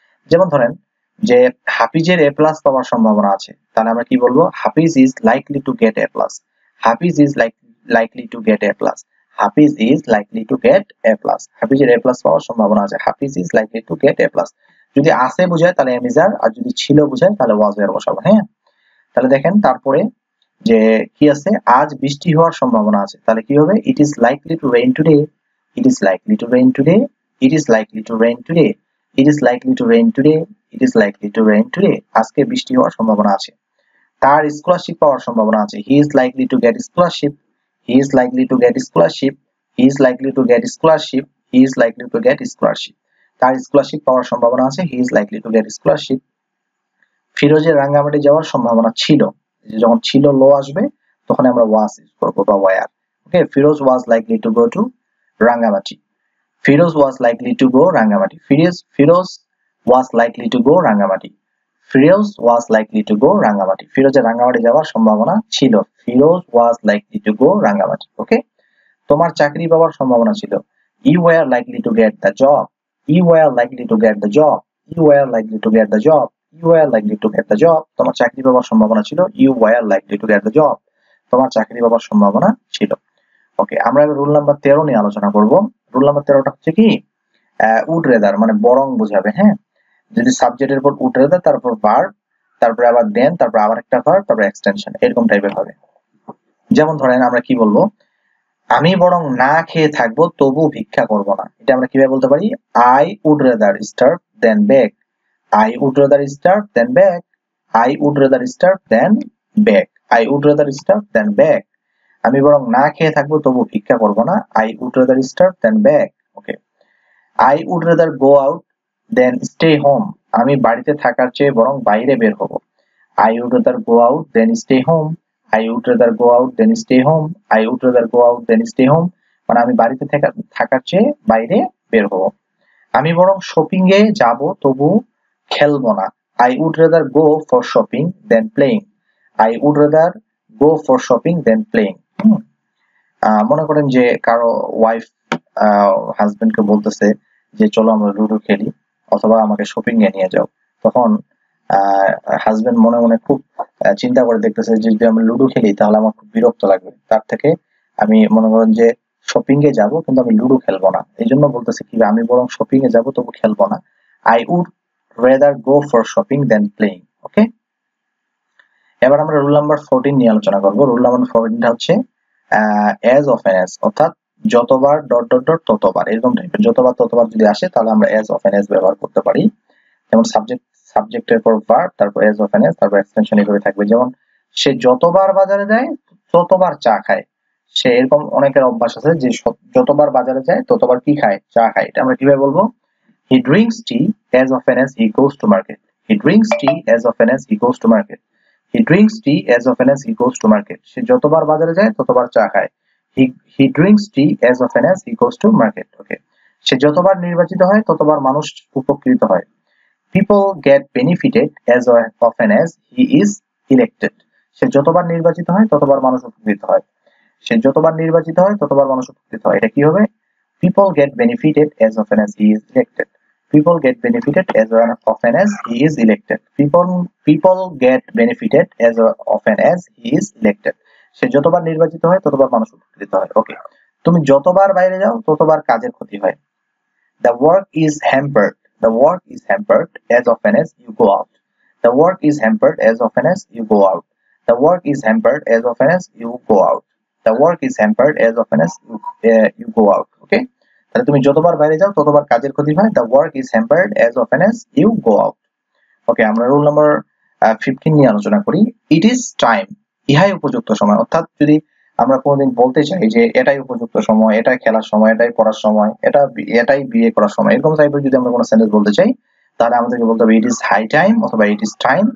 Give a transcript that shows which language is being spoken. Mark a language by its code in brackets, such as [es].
[bn] যেমন ধরেন যে হাফিজের এ প্লাস পাওয়ার সম্ভাবনা আছে, তাহলে আমরা কি বলবো, [en] Hafiz is likely to get A plus, [bn] Hafiz is likely to get A plus, Hafiz is likely to get A plus, হাফিজের A plus পাওয়ার সম্ভাবনা আছে, হাফিজ is likely to get A plus, যদি আছে বোঝায় তাহলে এম ইজ আর, আর যদি ছিল বোঝায় তাহলে ওয়াজ এর বসাবো। হ্যাঁ, তাহলে দেখেন তারপরে যে কি আছে, আজ বৃষ্টি হওয়ার সম্ভাবনা আছে, তাহলে কি হবে, [en] It is likely to rain today, It is likely to rain today. It is likely to rain today. It is likely to rain today. [bn] It is likely to rain today. আজকে বৃষ্টি হওয়ার সম্ভাবনা আছে। তার স্কলারশিপ পাওয়ার সম্ভাবনা আছে। [en] He is likely to get scholarship. He is likely to get scholarship. He is likely to get scholarship. He is likely to get scholarship. [bn] তার scholarship পাওয়ার সম্ভাবনা আছে। [en] He is likely to get scholarship. [bn] ফিরোজের Rangamati যাওয়ার সম্ভাবনা ছিল। যখন ছিল লো আসবে তখন আমরা ওয়াজ ইউজ করব বা wire. [en] Okay Firoz was likely to go to Rangamati. Firoz was likely to go Rangamati. Firoz was likely to go Rangamati. Firoz was likely to go Rangamati. [bn] ফিরোজের Rangamati যাওয়ার সম্ভাবনা ছিল। [en] Firoz was likely to go Rangamati. [bn] ওকে তোমার চাকরি পাওয়ার সম্ভাবনা ছিল। [en] You were likely to get the job. You were likely to get the job. You were likely to get the job. You were likely to get the job. [bn] তোমার চাকরি পাওয়ার সম্ভাবনা ছিল। [en] You were likely to get the job. [bn] তোমার চাকরি পাওয়ার সম্ভাবনা ছিল। ওকে আমরা এবার রুল নাম্বার 13 নিয়ে আলোচনা করব। রুল নাম্বার 13টা হচ্ছে কি উড রেদার মানে বরং বোঝাবে। হ্যাঁ যদি সাবজেক্টের উপর উড রেদার তারপর ভার্ব তারপর আবার দেন তারপর আবার একটা ভার্ব তারপর এক্সটেনশন এরকম টাইপের হবে। যেমন ধরেন আমরা কি বলবো আমি বরং না খেয়ে থাকবো তবু ভিক্ষা করব না। এটা আমরা কিভাবে বলতে পারি [en] I would rather starve than beg. I would rather starve than beg. I would rather starve than beg. I would rather starve than beg. [bn] আমি বরং না খেয়ে থাকবো তবু ভিক্ষা করব না। [en] I would rather starve than beg. Okay. I would rather go out than stay home. [bn] আমি বাড়িতে থাকার চেয়ে বরং বাইরে বের হব। [en] I would rather go out than stay home. I would rather go out than stay home. I would rather go out than stay home. [bn] মানে আমি বাড়িতে থাকার চেয়ে বাইরে বের হব। আমি বরং শপিং এ যাব তবু খেলবো না। [en] I would rather go for shopping than playing. I would rather go for shopping than playing. [bn] মনে করেন যে কারো ওয়াইফ হাজবেন্ড কে বলতেছে যে চলো আমরা লুডো খেলি অথবা আমাকে শপিং এ নিয়ে যাও, তখন হাজবেন্ড মনে মনে খুব চিন্তা করে দেখতেছে যে যদি আমি লুডো খেলি তাহলে আমার খুব বিরক্ত লাগবে, তার থেকে আমি মনে করেন যে শপিং এ যাবো কিন্তু আমি লুডো খেলবো না। এই জন্য বলতেছে কি আমি বরং শপিং এ যাবো তবু খেলবো না। [en] I would rather go for shopping than playing. Okay. [bn] এবার আমরা rule number 14 নিয়ে আলোচনা করব। rule number 14 টা হচ্ছে as often as অর্থাৎ যতবার dot dot dot ততবার এরকম টাইপের। যতবার ততবার যদি আসে তাহলে আমরা as often as ব্যবহার করতে পারি। যেমন subject subject এর পর verb তারপর as often as তারপর extension এইভাবে থাকবে। যেমন সে যতবার বাজারে যায় ততবার চা খায়। সে এরকম অনেকের অভ্যাস আছে যে যতবার বাজারে যায় ততবার কি খায় চা খায়। এটা আমরা কিভাবে বলবো [en] He drinks tea as often as he goes to market. He drinks tea as often as he goes to market. He drinks tea as often as he goes to market. [bn] সে যতবার বাজারে যায় ততবার চা খায়। [en] He drinks tea as often as he goes to market. Okay. [bn] সে যতবার নির্বাচিত হয় ততবার মানুষ উপকৃত হয়। [en] People get benefited as often as he is elected. [bn] সে যতবার নির্বাচিত হয় ততবার মানুষ উপকৃত হয়। সে যতবার নির্বাচিত হয় ততবার মানুষ উপকৃত হয়। এটা কি হবে? [en] People get benefited as often as he is elected. People get benefited as often as he is elected. People get benefited as often as he is elected. [bn] সে যতবার নির্বাচিত হয় ততবার মানুষ উপকৃত হয়। ওকে তুমি যতবার বাইরে যাও ততবার কাজের ক্ষতি হয়। [en] The work is hampered. The work is hampered as often as you go out. The work is hampered as often as you go out. The work is hampered as often as you go out. The work is hampered as often as you go out. [bn] তাহলে তুমি যতবার বাইরে যাও ততবার কাজের ক্ষতি হয়। [en] The work is hampered as often as you go out. [bn] ওকে আমরা রুল নাম্বার 15 নিয়ে আলোচনা করি। ইট ইজ টাইম ইহাই উপযুক্ত সময়। অর্থাৎ যদি আমরা কোনোদিন বলতে চাই যে এটাই উপযুক্ত সময়, এটাই খেলার সময়, এটাই পড়ার সময়, এটা এটাই বিয়ে করার সময় এরকম টাইপের যদি আমরা কোনো সেন্টেন্স বলতে চাই তাহলে আমাদেরকে বলতে হবে [en] it is high time [bn] অথবা ইট ইজ টাইম।